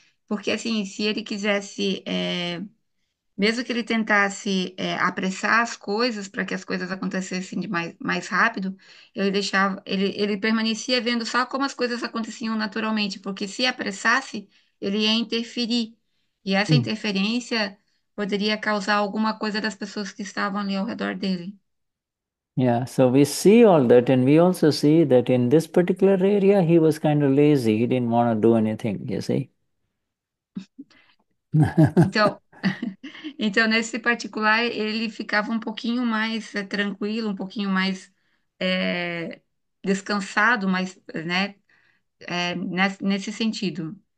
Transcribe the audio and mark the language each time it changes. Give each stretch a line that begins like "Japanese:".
Portuguese: Porque assim, se ele quisesse, mesmo que ele tentasse, apressar as coisas para que as coisas acontecessem de mais rápido, ele permanecia vendo só como as coisas aconteciam naturalmente, porque se apressasse, ele ia interferir. E essa interferência poderia causar alguma coisa das pessoas que estavam ali ao redor dele.
English: Yeah, so we see all that, and we also see that in this particular area, he was kind of lazy. He didn't want to do anything, you see.
Portuguese: Então, nesse particular, ele ficava um pouquinho mais tranquilo, um pouquinho mais descansado, mas, né, nesse sentido.